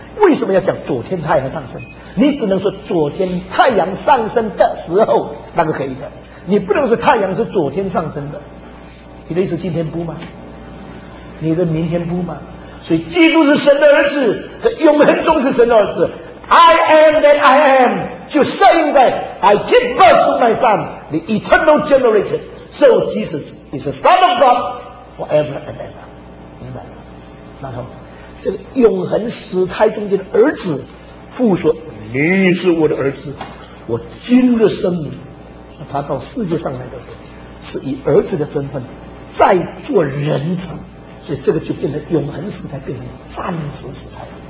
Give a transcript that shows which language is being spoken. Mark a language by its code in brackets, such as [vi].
[zh] 为什么要讲昨天太阳上升？你只能说昨天太阳上升的时候，那个可以的。你不能说太阳是昨天上升的，你的意思今天不吗？你的明天不吗？所以基督是神的儿子，这永恒中是神的儿子。 [en] I am that I am, just saying that I give birth to my son, the eternal generation. So Jesus is the Son of God forever and ever. [zh] 明白了？然后，这个永恒时态中间的儿子，父说：“你是我的儿子，我今日生你。” 说他到世界上来的时候，是以儿子的身份在做人子，所以这个就变成永恒时态，变成暂时时态。